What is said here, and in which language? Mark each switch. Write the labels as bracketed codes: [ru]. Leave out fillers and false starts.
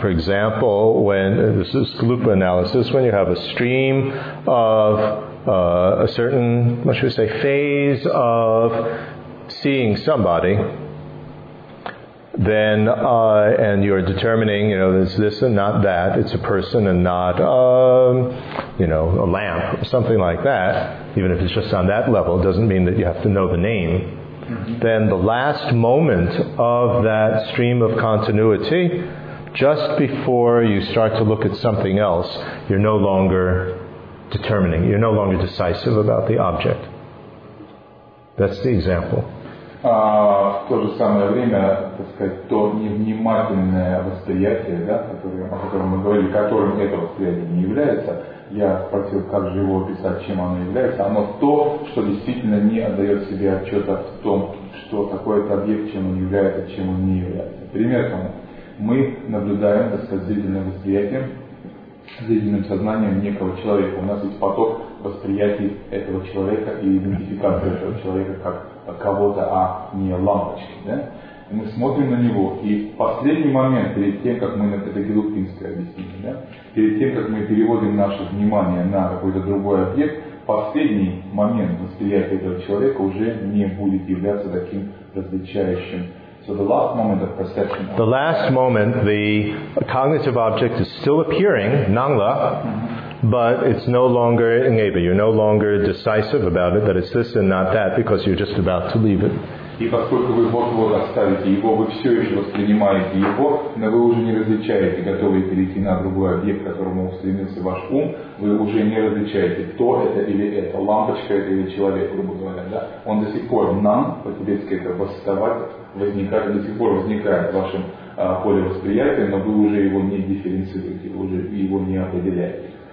[en] For example, when this is Kalupa analysis, when you have a stream of a certain, what should we say, phase of seeing somebody, then and you're determining, you know, it's this and not that, it's a person and not you know, a lamp or something like that, even if it's just on that level, doesn't mean that you have to know the name. Then the last moment of that stream of continuity, just before you start to look at something else, you're no longer determining, you're no longer decisive about the object. That's the example. [ru] В то же самое время, так сказать, то невнимательное восприятие, да, которое, о котором мы говорили, которым это восприятие не является, я спросил, как же его описать, чем оно является, оно то, что действительно не отдает себе отчета в том, что такое этот объект, чем он является, чем он не является. Пример тому, мы наблюдаем, так сказать, зрительным восприятием, зрительным сознанием некого человека. У нас есть поток восприятий этого человека и идентификации этого человека как кого-то, а не лампочки. Да? Мы смотрим на него, и в последний момент, перед тем, как мы, это Гелупинское объяснение, да? Перед тем, как мы переводим наше внимание на какой-то другой объект, последний момент восприятия этого человека уже не будет являться таким различающим. [en] So the last moment of perception. The last moment, the cognitive object is still appearing, Nangla, but it's no longer Ngeba. You're no longer decisive about it, that it's this and not that, because you're just about to leave it. [ru] И поскольку вы вот-вот оставите его, вы все еще воспринимаете его, но вы уже не различаете, готовы перейти на другой объект, к которому устремился ваш ум, вы уже не различаете, то это или это, лампочка это или человек, грубо говоря, да? Он до сих пор нам, по-тибетски это восставать, возникает, до сих пор возникает в вашем поле восприятия, но вы уже его не дифференцируете, вы уже его не определяете.